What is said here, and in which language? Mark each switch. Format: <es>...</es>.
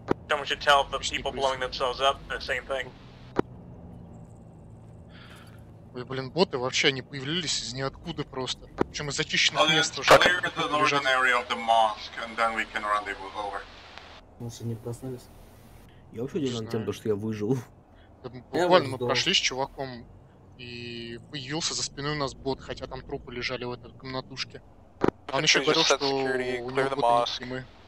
<en>Someone should tell the people blowing themselves up the same thing.</en> <ru>Вы, блин, боты вообще не появлялись из ниоткуда просто. Причем из зачищенных мест уже.</ru> <en>Clear the northern area of the mosque, and then we can rendezvous over.</en> <ru>Может, они проснулись? Я вообще удивлен тем, что я выжил. Буквально мы прошли с чуваком, и появился за спиной у нас бот, хотя там трупы лежали в этой комнатушке. Он еще говорил, что у него боты не снимы.</ru>